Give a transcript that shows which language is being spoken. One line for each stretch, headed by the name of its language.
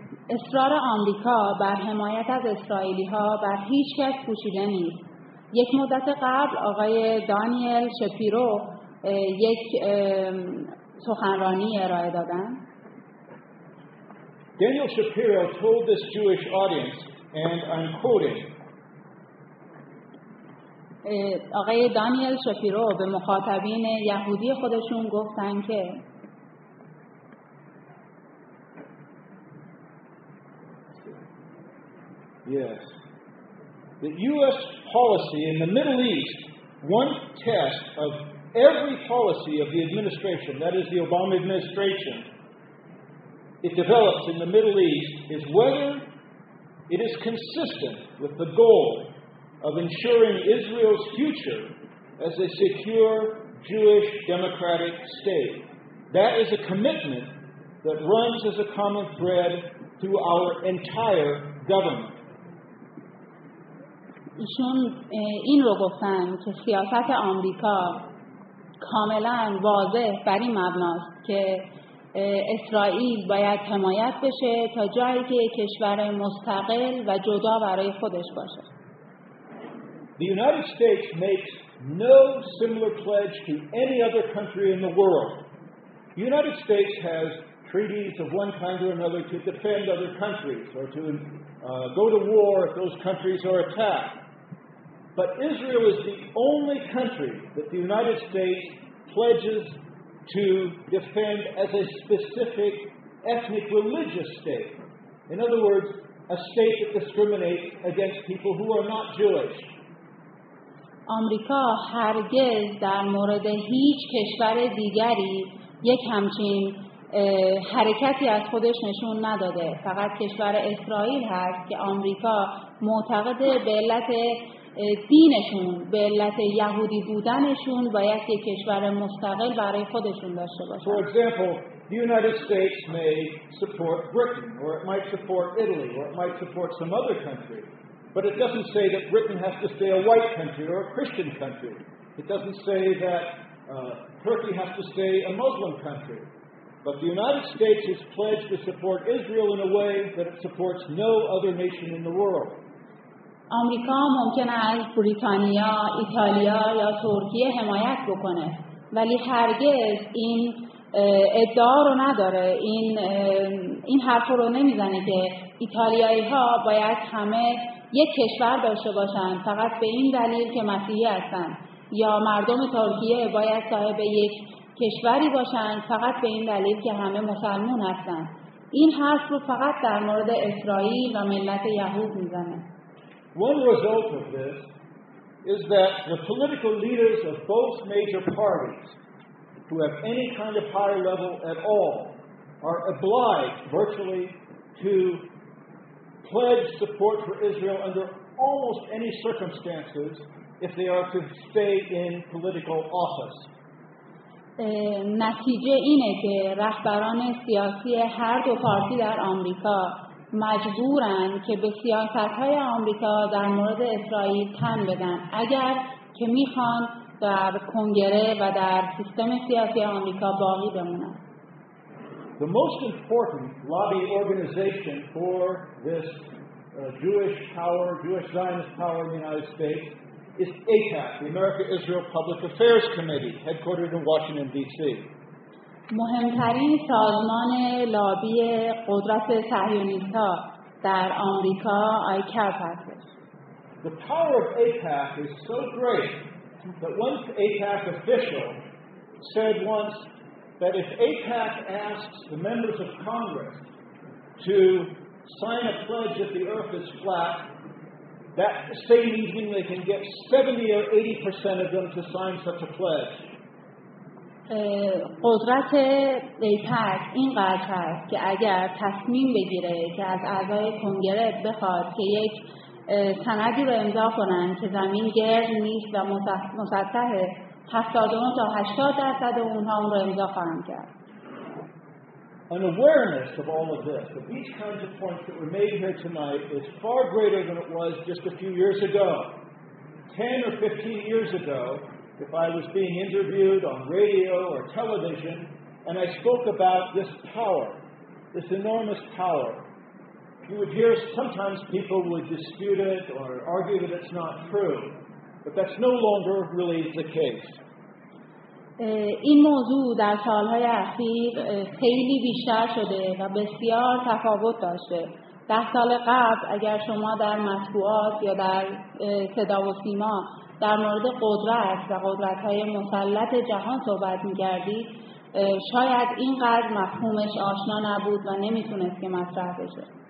Persian: اصرار آمریکا بر حمایت از اسرائیلی ها بر هیچ کس پوشیده نیست. یک مدت قبل آقای دانیل شپیرو یک سخنرانی ارائه دادن.
English: Daniel Shapiro told this Jewish audience, and I'm quoting.
Persian: آقای دانیل شپیرو به مخاطبین یهودی خودشون گفتن که
English: Yes. The U.S. policy in the Middle East, one test of every policy of the administration, that is the Obama administration, it develops in the Middle East is whether it is consistent with the goal of ensuring Israel's future as a secure Jewish democratic state. That is a commitment that runs as a common thread through our entire government.
Persian: ایشون این رو گفتن که سیاست آمریکا کاملاً واضح بر این مبناست که اسرائیل باید حمایت بشه تا جایی که کشور مستقل و جدا برای خودش باشه.
English: The United States makes no similar pledge to any other country in the world. The United States has treaties of one kind or another to defend other countries or to go to war if those countries are attacked. But Israel is the only country that the United States pledges to defend as a specific ethnic religious state. In other words, a state that discriminates against people who are not Jewish.
Persian: آمریکا هرگز در مورد هیچ کشور دیگری یک همچین حرکتی از خودش نشون نداده. فقط کشور اسرائیل هست که آمریکا معتقد به علت دینشون، به علت یهودی بودنشون باید یک کشور مستقل برای خودشون داشته باشن.
English: For example, the United States may support Britain, or it might support Italy, or it might support some other country. But it doesn't say that Britain has to stay a white country or a Christian country. It doesn't say that Turkey has to stay a Muslim country. But the United States has pledged to support Israel in a way that it supports no other nation in the world.
Persian: آمریکا ممکن است بریتانیا، ایتالیا یا ترکیه حمایت بکنه، ولی هرگز این ادعا رو نداره، این حرف رو نمیزنه که ایتالیایی ها باید همه یک کشور داشته باشن فقط به این دلیل که مسیحی هستن، یا مردم ترکیه باید صاحب یک کشوری باشن فقط به این دلیل که همه مسلمان هستن. این حرف رو فقط در مورد اسرائیل و ملت یهود میزنه.
English: One result of this is that the political leaders of both major parties who have any kind of higher level at all are obliged virtually to pledge support for Israel under almost any circumstances if they are to stay in political office.
Persian: نتیجه اینه که رهبران سیاسی هر دو پارتی در آمریکا مجبورن که به سیاست‌های آمریکا در مورد اسرائیل تن بدن اگر که میخوان در کنگره و در سیستم سیاسی آمریکا باقی بمونن.
English: The most important lobby organization for this Jewish power, Jewish Zionist power in the United States is AIPAC, the America-Israel Public Affairs Committee, headquartered in Washington D.C.
Persian: مهمترین سازمان لابی قدرت صهیونیست ها در آمریکا آیکاپ هست.
English: The power of AIPAC is so great that one AIPAC official said once that if AIPAC asks the members of Congress to sign a pledge that the earth is flat, that same evening they can get 70 or 80% of them to sign such a pledge.
Persian: قدرت ایپک اینقدر هست که اگر تصمیم بگیره که از اعضای کنگره بخواد که یک سندی رو امضا کنن که زمین گرد نیست و مسطح، 70 تا 80 درصد اونها اون رو امضا خواهند کرد.
English: An awareness of all of this, of each kind of point that were made here tonight, is far greater than it was just a few years ago. 10 or 15 years ago, if I was being interviewed on radio or television, and I spoke about this power, this enormous power, you would hear sometimes people would dispute it or argue that it's not true, but that's no longer really the case.
Persian: این موضوع در سالهای اخیر خیلی بیشتر شده و بسیار تفاوت داشته. 10 سال قبل اگر شما در مطبوعات یا در صدا و سیما در مورد قدرت و قدرت‌های مسلط جهان صحبت می‌کردید، شاید اینقدر مفهومش آشنا نبود و نمی‌تونست که مطرح بشه.